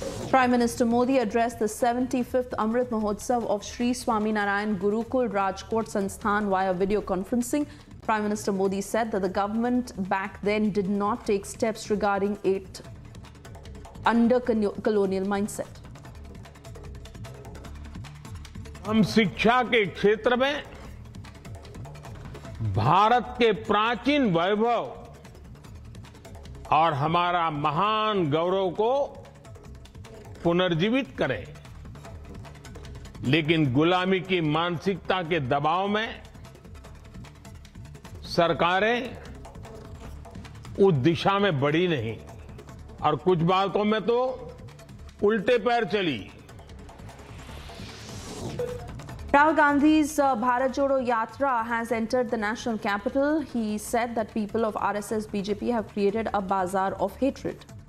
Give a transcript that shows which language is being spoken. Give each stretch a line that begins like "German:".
English: Prime Minister Modi addressed the 75th Amrit Mahotsav of Sri Swami Narayan Gurukul Rajkot Sansthan via video conferencing. Prime Minister Modi said that the government back then did not take steps regarding it under colonial mindset.
Hindi: हम शिक्षा के क्षेत्र में भारत के प्राचीन वैभव और हमारा महान गौरव को पुनर्जीवित करें, लेकिन गुलामी की मानसिकता के दबाव में सरकारें उस दिशा में बढ़ी नहीं और कुछ बातों में तो उल्टे पैर चली.
English: Rahul Gandhi's Bharat Jodo Yatra has entered the national capital. He said that people of RSS BJP have created a bazaar of hatred.